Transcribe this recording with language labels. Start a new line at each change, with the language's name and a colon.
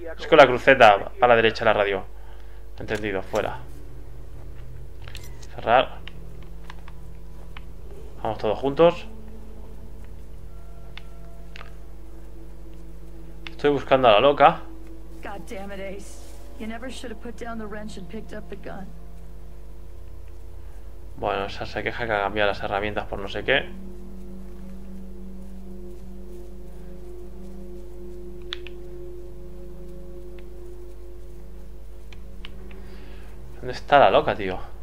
Spanish: Es con la cruceta para la derecha la radio. Entendido, fuera. Cerrar. Vamos todos juntos. Estoy buscando a la loca.
English: God damn it, Ace. You never should have put down the wrench and picked up the gun.
Spanish: Bueno, esa se queja que ha cambiado las herramientas por no sé qué. ¿Dónde está la loca, tío?